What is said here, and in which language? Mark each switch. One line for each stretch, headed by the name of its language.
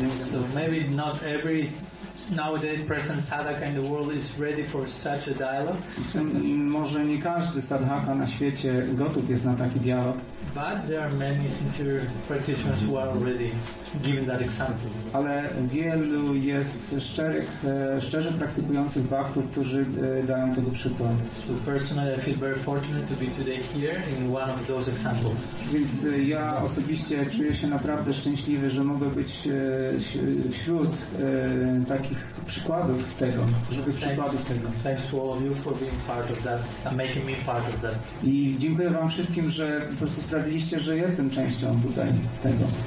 English: So maybe not every nowadays present sadhaka in the world is ready for such a dialogue.
Polish: Może nie każdy sadhaka na świecie gotów jest na taki dialog.
English: But there are many sincere practitioners who are already given that example.
Polish: Ale wielu jest szczerze praktykujących bhaktów, którzy dają tego przykład.
English: So personally, I feel very fortunate to be today here in one of those examples.
Polish: Więc ja osobiście czuję się naprawdę szczęśliwy, że mogę być wśród takich przykładów tego,
English: Thanks to all of you for being part of that and making me part of that.
Polish: I dziękuję wam wszystkim, że po prostu sprawiliście, że jestem częścią tutaj tego.